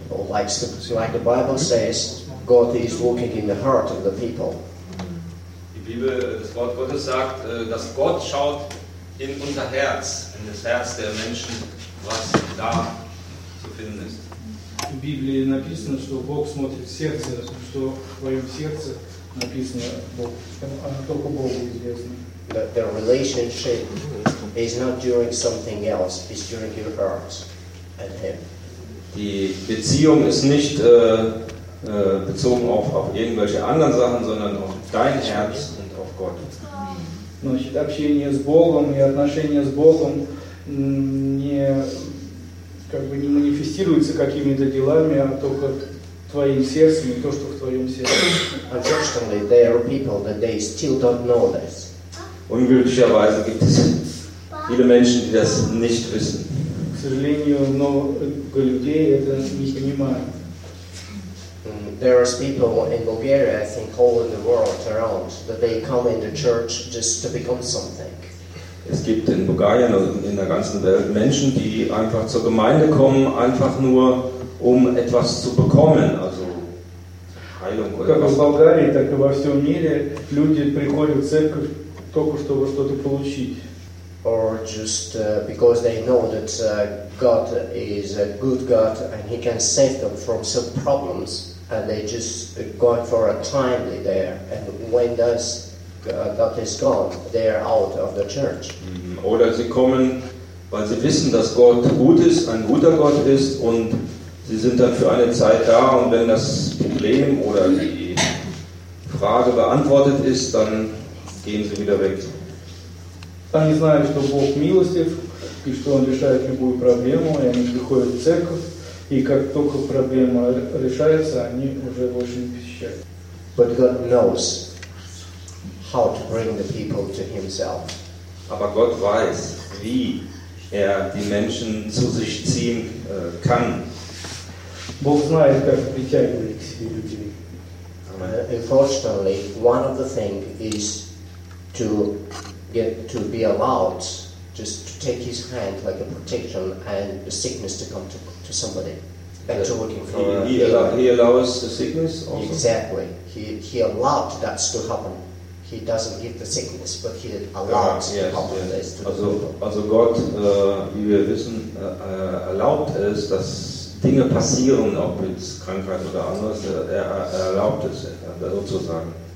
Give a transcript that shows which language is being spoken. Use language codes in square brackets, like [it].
[en] Like the Bible says, God is walking in the heart of the people. [de] Die Bibel, das Wort Gottes sagt, dass Gott schaut in unser Herz, in das Herz der Menschen, was da zu finden ist. [ru] В Библии написано, что Бог смотрит в сердце, что в твоем сердце написано Бог. Оно только Богу известно. [en] That the relationship is not during something else, it's during your heart and Him. [de] Die Beziehung ist nicht bezogen auf irgendwelche anderen Sachen, sondern auf dein Herz und auf Gott. [ru] Значит, общение с Богом и отношения с Богом не как бы не манифестируется какими-то делами, а только твоим сердцем и то, что в твоем сердце. [en] Unfortunately, there are people that they still don't know this. [de] Unglücklicherweise gibt es viele Menschen, die das nicht wissen. [ru] К сожалению, много людей это не понимают. [en] There are people in Bulgaria, I think, all in the world around, that they come in the church just to become something. [de] Es gibt in Bulgarien und in der ganzen Welt Menschen, die einfach zur Gemeinde kommen, einfach nur, um etwas zu bekommen, also Heilung oder was. In Bulgarien, [ru] так и во всем мире, люди приходят в церковь только чтобы что-то получить. [en] Or just because they know that God is a good God and He can save them from some problems, and they just go for a timely there, and when does God is gone, they are out of the church. [de] Oder sie kommen, weil sie wissen, dass Gott gut ist, ein guter Gott ist, und sie sind dann für eine Zeit da, und wenn das Problem oder die Frage beantwortet ist, dann gehen sie wieder weg. Dann ist man, [ru] что Бог милостив, и что Он решает любую проблему, и они приходят в церковь, и как только проблема решается, они уже больше не посещают. [en] But God knows how to bring the people to Himself. [de] Aber Gott weiß, wie die Menschen zu sich ziehen kann. [ru] Бог знает, как притягивать к себе людей. [en] Unfortunately, one of the things is to get to be allowed just to take His hand like a protection and the sickness to come to somebody. And to looking for He allows the sickness also? Exactly. He allowed that to happen. He doesn't give the sickness, but He allows to [de] also, Gott, wie wir wissen, erlaubt es, dass Dinge passieren, ob mit Krankheit oder anderes. Er erlaubt es, sozusagen.